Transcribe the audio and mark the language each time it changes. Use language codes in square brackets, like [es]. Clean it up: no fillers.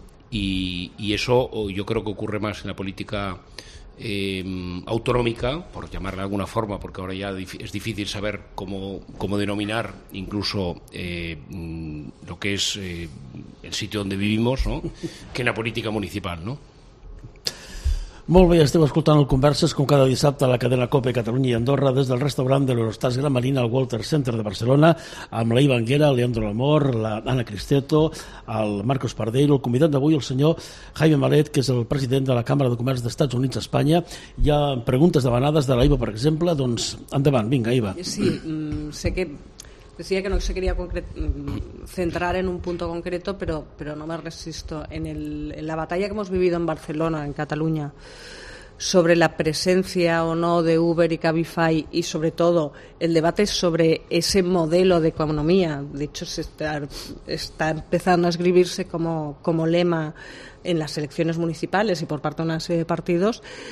[es] Y eso yo creo que ocurre más en la política autonómica, por llamarla de alguna forma, porque ahora ya es difícil saber cómo denominar incluso lo que es el sitio donde vivimos, ¿no?, que en la política municipal, ¿no? [ca] Molt bé, esteu escoltant el Converses com cada dissabte a la cadena COPE Catalunya i Andorra des del restaurant de l'Eurostars Gran Marina al Walter Center de Barcelona amb la Iva Anguera, Leandro Lamor, l'Anna Cristeto, el Marcos Pardeiro, el convidat d'avui, el senyor Jaime Malet, que és el president de la Càmera de Comerç d'Estats Units a Espanya. Hi ha preguntes demanades de la Iva, per exemple, doncs endavant, vinga, Iva. [es] Sí, sé que decía que no se quería centrar en un punto concreto, pero no me resisto. En la batalla que hemos vivido en Barcelona, en Cataluña, sobre la presencia o no de Uber y Cabify, y sobre todo el debate sobre ese modelo de economía, de hecho está empezando a escribirse como lema en las elecciones municipales y por parte de una serie de partidos,